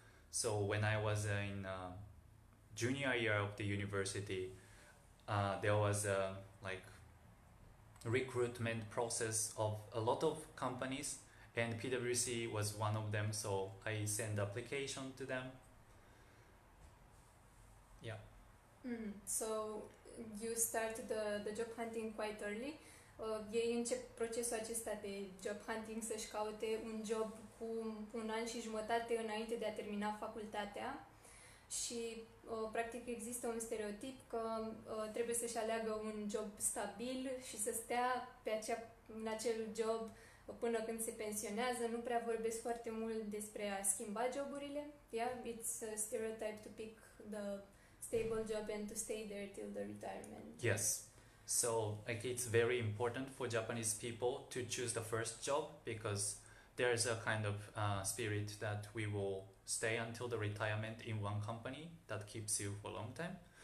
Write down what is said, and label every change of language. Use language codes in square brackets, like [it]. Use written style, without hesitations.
[en] So when I was in junior year of the university, there was a like recruitment process of a lot of companies, and PwC was one of them. So I sent application to them. Yeah. Mm-hmm. So you started the job hunting quite early. [ro] Ei încep procesul acesta de job hunting să-și caute un job cu un an și jumătate înainte de a termina facultatea și practic există un stereotip că trebuie să-și aleagă un job stabil și să stea în acel job până când se pensionează. Nu prea vorbesc foarte mult despre a schimba joburile. [en] Yeah, it's a stereotype to pick the stable job and to stay there till the retirement. Yes. So like, it's very important for Japanese people to choose the first job, because there's a kind of spirit that we will stay until the retirement in one company that keeps you for a long time.